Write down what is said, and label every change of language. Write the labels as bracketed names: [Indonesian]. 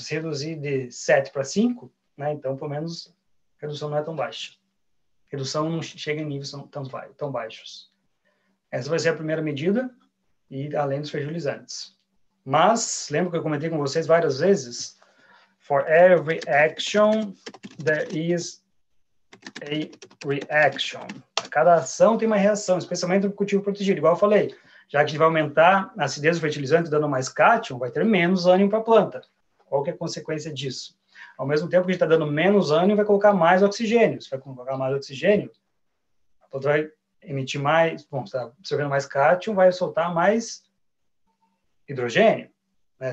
[Portuguese] Se reduzir de 7 para 5, né, então, pelo menos, a redução não é tão baixa. Redução não chega em níveis tão baixos. Essa vai ser a primeira medida, e além dos fertilizantes. Mas, lembra que eu comentei com vocês várias vezes? [English] For every action, there is a reaction. A [Portuguese] cada ação tem uma reação, especialmente no cultivo protegido. Igual eu falei, já que a gente vai aumentar a acidez do fertilizante dando mais cátion, vai ter menos ânion para a planta. Qual que é a consequência disso? Ao mesmo tempo que a gente está dando menos ânion, vai colocar mais oxigênio. Se vai colocar mais oxigênio, a planta vai emitir mais, bom, está absorvendo mais cátion, vai soltar mais hidrogênio. Né?